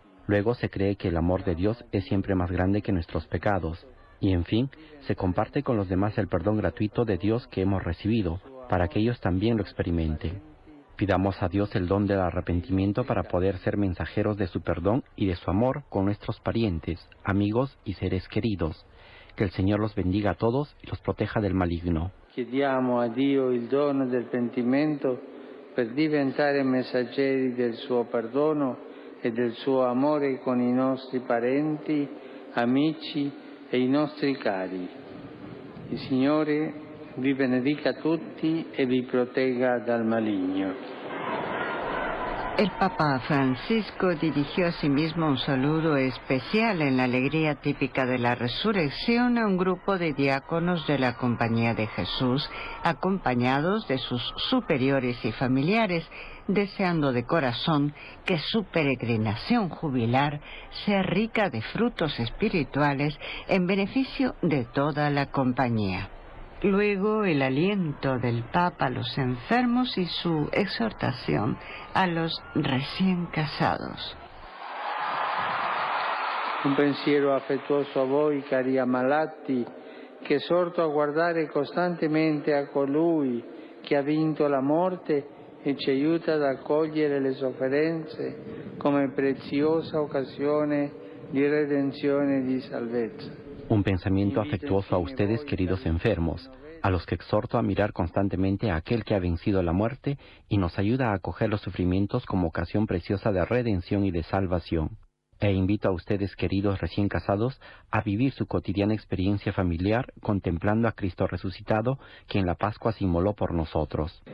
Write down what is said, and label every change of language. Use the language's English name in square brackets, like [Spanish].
[Spanish] Luego se cree que el amor de Dios es siempre más grande que nuestros pecados, y en fin, se comparte con los demás el perdón gratuito de Dios que hemos recibido, para que ellos también lo experimenten. Pidamos a Dios el don del arrepentimiento para poder ser mensajeros de su perdón y de su amor con nuestros parientes, amigos y seres queridos. Que el Señor los bendiga a todos y los proteja del maligno. [Italian] Chiediamo a Dio il dono del pentimento per diventare messaggeri del suo perdono e del suo amore con i nostri parenti, amici e i nostri cari. Il Signore vi benedica tutti e vi protegga dal maligno. [Spanish] El Papa Francisco dirigió a sí mismo un saludo especial en la alegría típica de la resurrección a un grupo de diáconos de la Compañía de Jesús, acompañados de sus superiores y familiares, deseando de corazón que su peregrinación jubilar sea rica de frutos espirituales en beneficio de toda la compañía. Luego, el aliento del Papa a los enfermos y su exhortación a los recién casados. [Italian] Un pensiero afectuoso a voi, cari ammalati, que esorto a guardare costantemente a colui che ha vinto la morte e ci aiuta ad accogliere le sofferenze come preziosa occasione di redenzione e di salvezza. [Spanish] Un pensamiento afectuoso a ustedes, queridos enfermos, a los que exhorto a mirar constantemente a aquel que ha vencido la muerte y nos ayuda a acoger los sufrimientos como ocasión preciosa de redención y de salvación. E invito a ustedes, queridos recién casados, a vivir su cotidiana experiencia familiar contemplando a Cristo resucitado, que en la Pascua se inmoló por nosotros.